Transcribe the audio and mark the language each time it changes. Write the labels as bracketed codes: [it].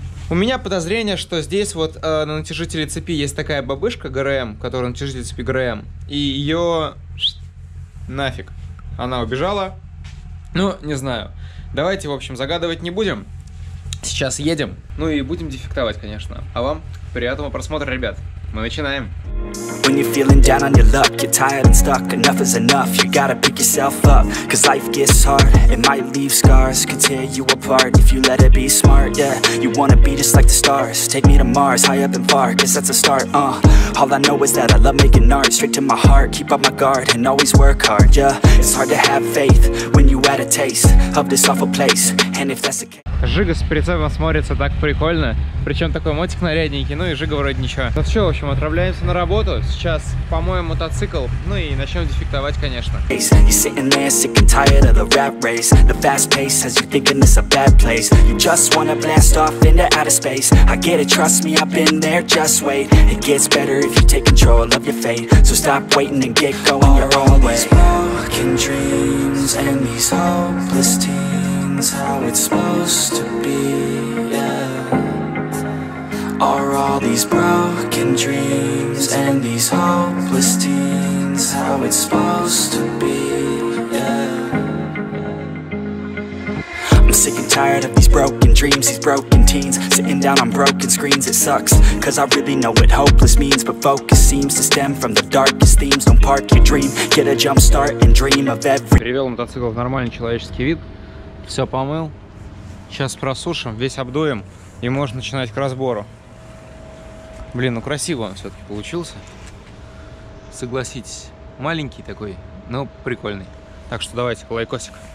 [ru] У меня подозрение, что здесь вот на натяжителе цепи есть такая бабышка ГРМ, которая натяжитель цепи ГРМ, и ее нафиг. Она убежала. Ну, не знаю. Давайте, в общем, загадывать не будем. Сейчас едем. Ну и будем дефектовать, конечно. А вам приятного просмотра, ребят. Мы начинаем. [en] When you're feeling down on your luck, you're tired and stuck, enough is enough, you gotta pick yourself up, cause life gets hard, it might leave scars, could tear you apart, if you let it be smart, yeah, you wanna be just like the stars, take me to Mars, high up and far, cause that's a start, all I know is that I love making art, straight to my heart, keep up my guard, and always work hard, yeah, it's hard to have faith, when you had a taste, of this awful place, and if that's the case. [ru] Жига с прицепом смотрится так прикольно. Причем такой мотик нарядненький, ну и жига вроде ничего. Ну все, в общем, отправляемся на работу. Сейчас помоем мотоцикл, ну и начнем дефектовать, конечно. [en] How it's supposed to be, yeah. Are all these broken dreams and these hopeless teens how it's supposed to be? Sick and tired of these broken dreams, these broken teens sitting down on broken screens, it sucks. Cause I really know what hopeless means, but focus seems to stem from the darkest themes. Don't park your dream, get a jump start and dream of every. [ru] Перевел мотоцикл в нормальный человеческий вид. Все помыл. Сейчас просушим, весь обдуем, и можно начинать к разбору. Блин, ну красиво он все-таки получился. Согласитесь. Маленький такой, но прикольный. Так что давайте лайкосик.